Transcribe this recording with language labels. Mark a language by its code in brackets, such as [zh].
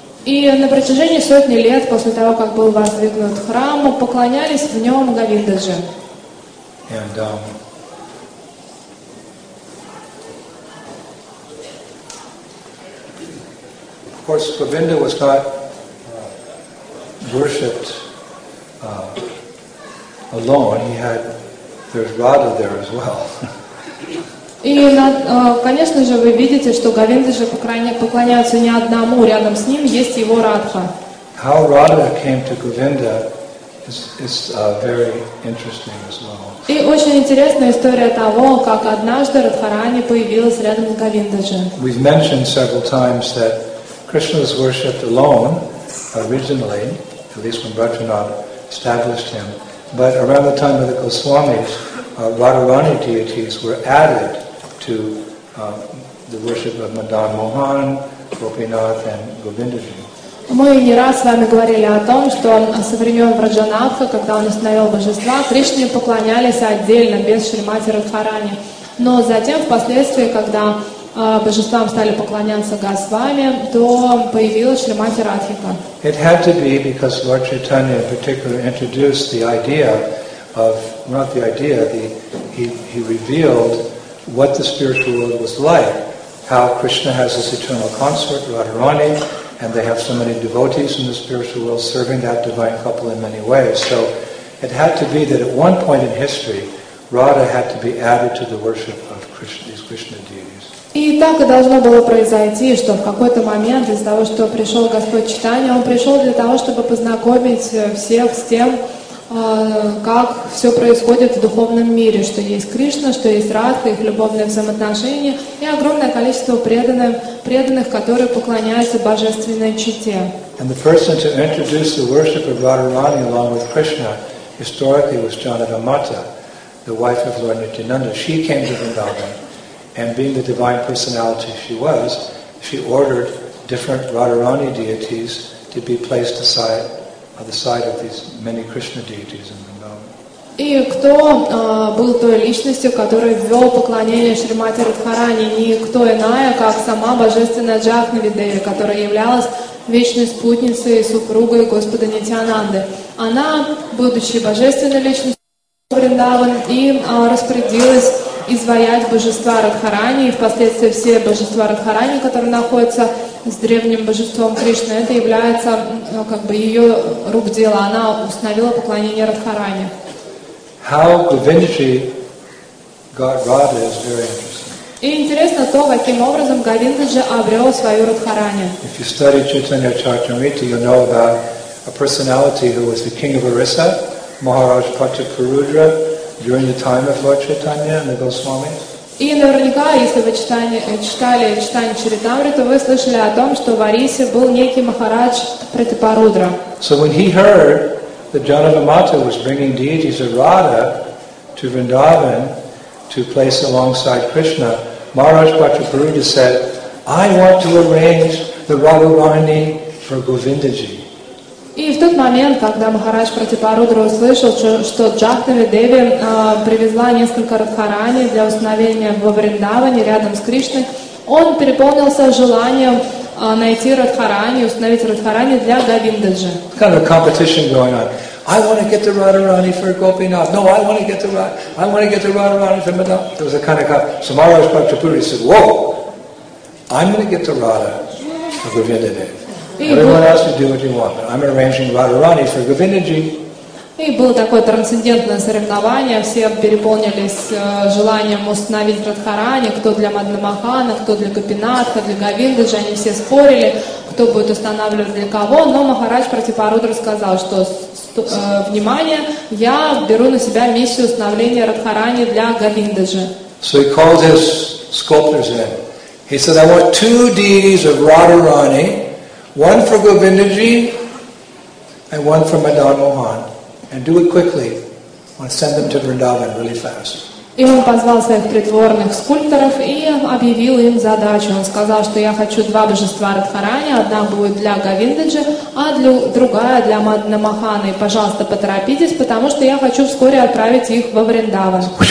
[ru] И на протяжении сотни лет после того, как был воздвигнут храм, поклонялись в нем Говиндаджи. [en] And of course, Govinda was not worshipped alone. He had there's Radha there as well. [ru] И, конечно же, вы видите, что Говиндаджи поклоняются не одному, рядом с ним есть его Радха. [en] How Radha came to Govinda is very interesting as well. [ru] И очень интересная история того, как однажды Радхарани появилась рядом с Говиндаджи. [en] We've mentioned several times that Krishna was worshipped alone originally, at least when Vrindavan established him. But around the time of the Goswamis, Radharani deities were added to the worship of Madan Mohan, Gopinath, and Govindaji. [ru] Мы не раз с вами говорили о том, что со времен Враджанатха, когда он установил божества, Кришне поклонялись отдельно, без Шримати Радхарани. Но затем, впоследствии, когда божествам стали поклоняться Госвами, то появилась Шримати Радхика. [en] It had to be because Lord Chaitanya in particular introduced the idea of, not the idea, he revealed what the spiritual world was like, how Krishna has this eternal consort, Radharani, and they have so many devotees in the spiritual world serving that divine couple in many ways. So it had to be that at one point in history, Radha had to be added to the worship of Krishna, these Krishna deities. [ru] И так и должно было произойти, что в какой-то момент из-за того, что пришел Господь Чайтанья, он пришел для того, чтобы познакомить всех с тем, как все происходит в духовном мире, что есть Кришна, что есть Радха, их любовные взаимоотношения и огромное количество преданных, которые поклоняются Божественной Чите. [en] And the person to introduce the worship of Radharani along with Krishna historically was Janaka Mata, the wife of Lord Nityananda. She came to Vrindavan, and being the divine personality she was, she ordered different Radharani deities to be placed aside on the side of these many Krishna deities in Vrindavan. [ru] И кто был той личностью, которая ввел поклонение Шримати Радхарани, никто иная, как сама Божественная Джахнавидеви, которая являлась вечной спутницей и супругой Господа Нитьянанды. Она, будучи божественной личностью Вриндаван, и распорядилась изваять божества Радхарани, и впоследствии все божества Радхарани, которые находятся с древним божеством Кришны, это является как бы ее рук дело. Она установила поклонение Радхарани. [en] How Govindji got Radha is very interesting. [ru] И интересно то, каким образом Говиндаджи обрел свою Радхарани. [en] If you study Chaitanya Charitamrita, you'll know about a personality who was the king of Orissa, Maharaj Pratapurudra, during the time of Lord Chaitanya and the Goswamis. [ru] И наверняка, если вы читали Chaitanya Charitamrita, вы слышали о том, что в Орисе был некий Махарадж Пратапурудра. [en] So when he heard that Janaka Mata was bringing deities of Radha to Vrindavan, to place alongside Krishna, Maharaj Pratapurudra said, I want to arrange the Radharani for Govindaji. [ru] И в тот момент, когда Махарадж Пратапурудра услышал, что Джахнавидеви привезла несколько Радхарани для установления во Вриндаване рядом с Кришной, он переполнился желанием найти Радхарани, установить Радхарани для Говиндаджи. [en] Kind of a competition going on. I want to get the Radharani for Gopinath. No, I want to get the Radharani for Madhava. There was a kind of guy. So Maharaj Pratapurudra said, "Whoa, I'm going to get the Radha for Govindaji. Everyone else can do what you want, but I'm arranging Radharani for Govindaji." [ru] И было такое трансцендентное соревнование. Все переполнились желанием установить Радхарани. Кто для Мадхамахана, кто для Гопинатха, для Говиндаджи. Они все спорили, кто будет устанавливать для кого. Но Махарадж Пратапурудра сказал, что внимание, я беру на себя миссию установления Радхарани для Говиндаджи. [en] So he called his sculptors in. He said, I want two deities of Radharani, one for Govindaji and one for Madan Mohan. And do it quickly. I want to send them to Vrindavan really fast. [ru] И он позвал своих придворных скульпторов и объявил им задачу. Он сказал, что я хочу два божества Радхарани, одна будет для Говиндаджи, а другая для Мадана Махана. И, пожалуйста, поторопитесь, потому что я хочу вскоре отправить их во Вриндаван.